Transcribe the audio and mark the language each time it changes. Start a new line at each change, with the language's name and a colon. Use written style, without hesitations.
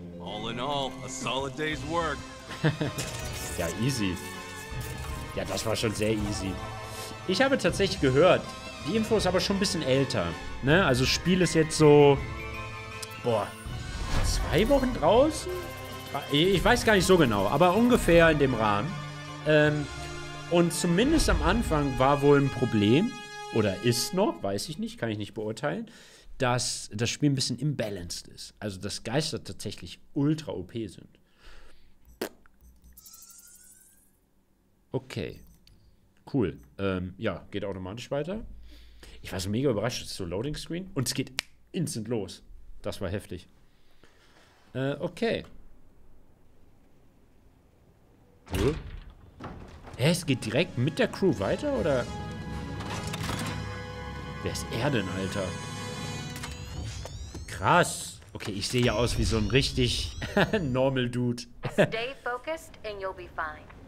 English: All in all, a solid day's work.
German: Ja, easy. Ja, das war schon sehr easy. Ich habe tatsächlich gehört, die Info ist aber schon ein bisschen älter. Ne? Also, das Spiel ist jetzt so. Boah. 2 Wochen draußen? Ich weiß gar nicht so genau, aber ungefähr in dem Rahmen. Und zumindest am Anfang war wohl ein Problem. Oder ist noch, weiß ich nicht, kann ich nicht beurteilen. Dass das Spiel ein bisschen imbalanced ist. Also, dass Geister tatsächlich ultra OP sind. Okay. Cool. Ja, geht automatisch weiter. Ich war so mega überrascht, es ist so Loading Screen. Und es geht instant los. Das war heftig. Okay. Hä? Hä, es geht direkt mit der Crew weiter, oder? Wer ist er denn, Alter? Krass. Okay, ich sehe ja aus wie so ein richtig normal Dude.
English: Stay focused and you'll be fine.